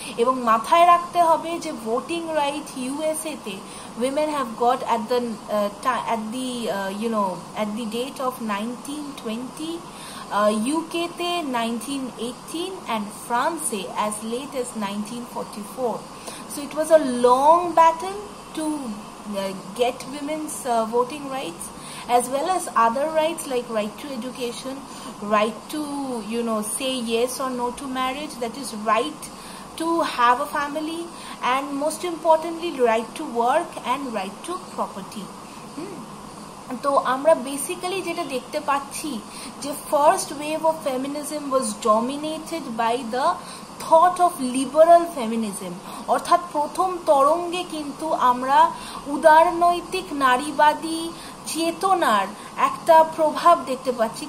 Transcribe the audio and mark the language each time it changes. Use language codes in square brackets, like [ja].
[bn] এবং মাথায় রাখতে হবে যে [en] Voting right ইউএসএতে women have got at the you know at the date of 1920, ইউকেতে 1918 and ফ্রান্সে as late as 1944। So it was a long battle to get women's voting rights as well as other rights like right to education, right to, you know, say yes or no to marriage, that is right to have a family, and most importantly right to work and right to property. [bn] তো আমরা basically যেটা দেখতে পাচ্ছি যে [en] first wave of feminism was dominated by the thought of liberal feminism, [bn] অর্থাৎ প্রথম তরঙ্গে কিন্তু আমরা উদারনৈতিক নারীবাদী চেতনার একটা প্রভাব দেখতে পাচ্ছি।